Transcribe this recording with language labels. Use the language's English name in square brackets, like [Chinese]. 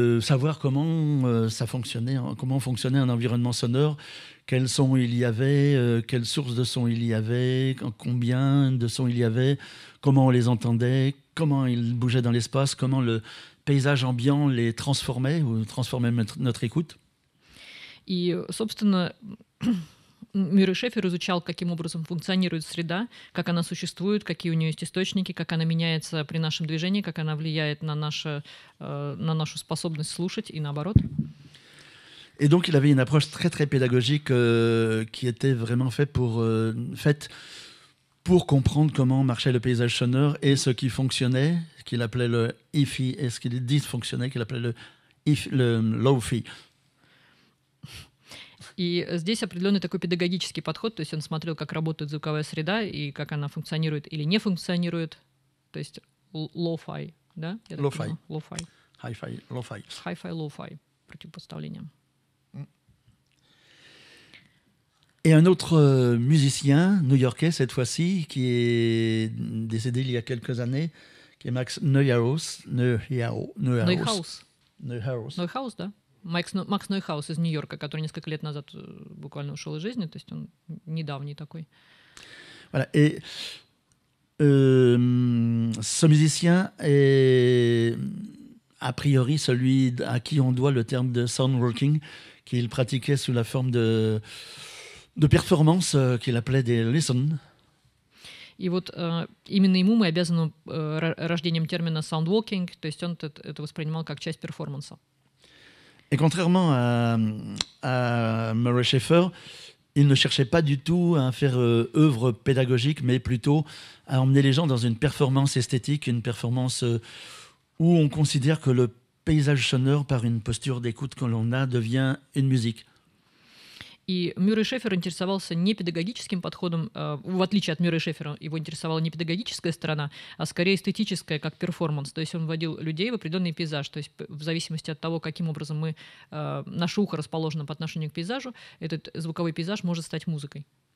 [French] savoir comment ça fonctionnait, comment fonctionnait un environnement sonore, quels sons il y avait, quelles sources de sons il y avait, combien de sons il y avait, comment on les entendait, comment ils bougeaient dans l'espace, comment le paysage ambiant les transformait ou transformait notre écoute. Et, [Russian] собственно, Мюррей Шефер изучал, каким образом функционирует среда, как она существует, какие у нее есть источники, как она меняется при нашем движении, как она влияет на нашу способность слушать и наоборот. [French] Et donc il avait une approche très très pédagogique qui était vraiment faite pour comprendre comment marchait le paysage sonore et ce qui fonctionnait, qu'il appelait le hi-fi, et ce qui dysfonctionnait, qu'il appelait le low-fi. [Russian] И здесь определенный такой педагогический подход, то есть он смотрел, как работает звуковая среда и как она функционирует или не функционирует, то есть lo-fi, да? [English] Lo-fi. Lo-fi. Hi-fi, lo-fi. [Russian] Hi-fi, lo-fi, противопоставление. И [French] un autre musicien new-yorkais, cette fois-ci, qui est décédé il y a quelques années, qui est Max Neuhaus. [Russian] Neuhaus, да? Макс Нойхаус из Нью-Йорка, который несколько лет назад буквально ушел из жизни, то есть он недавний такой. [French] Voilà. Et ce musicien est a priori celui à qui on doit le terme de sound walking qu'il pratiquait sous la forme de performance qu'il appelait des listen. [Russian] И вот именно ему мы обязаны рождением термина sound walking, то есть он это воспринимал как часть перформанса. [French] Et contrairement à Murray Schaeffer, il ne cherchait pas du tout à faire œuvre pédagogique, mais plutôt à emmener les gens dans une performance esthétique, une performance où on considère que le paysage sonore, par une posture d'écoute que l'on a, devient une musique. [Russian] И Мюррей Шефер интересовался не педагогическим подходом, в отличие от Мюррей Шефера, его интересовала не педагогическая сторона, а скорее эстетическая, как перформанс. То есть он вводил людей в определенный пейзаж. То есть в зависимости от того, каким образом мы, наше ухо расположено по отношению к пейзажу, этот звуковой пейзаж может стать музыкой.